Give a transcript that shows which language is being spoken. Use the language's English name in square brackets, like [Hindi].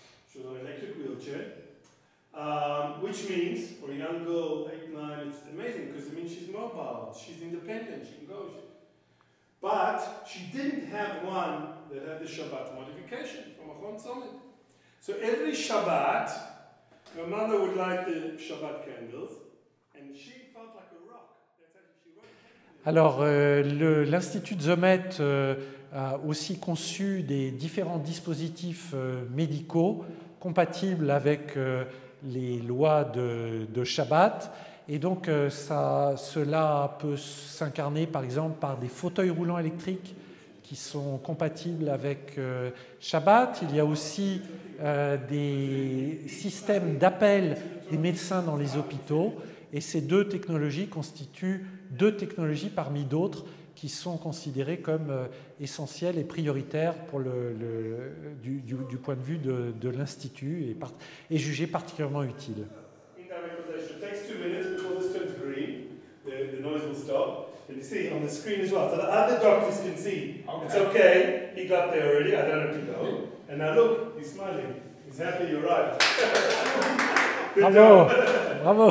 [English] She was on an electric wheelchair, which means for a young girl, 8, 9, it's amazing because it means she's mobile, she's independent, she can go. But she didn't have one that had the Shabbat modification from Achron Tzomet. So every Shabbat, her mother would light the Shabbat candles, and she felt like a rock. That's how she wrote. [French] Alors, l'Institut Tzomet. A aussi conçu des différents dispositifs médicaux compatibles avec les lois de Shabbat. Et donc, cela peut s'incarner, par exemple, par des fauteuils roulants électriques qui sont compatibles avec Shabbat. Il y a aussi des systèmes d'appel des médecins dans les hôpitaux. Et ces deux technologies constituent deux technologies parmi d'autres qui sont considérés comme essentiels et prioritaires pour du point de vue de l'Institut et jugés particulièrement utiles. [English] In direct translation, it takes 2 minutes before this turns green, the noise will stop. And you see on the screen as well, so the other doctors can see. Okay. It's okay, he got there already, I don't have to go. And now look, he's smiling, he's happy, you're right. Bravo, bravo.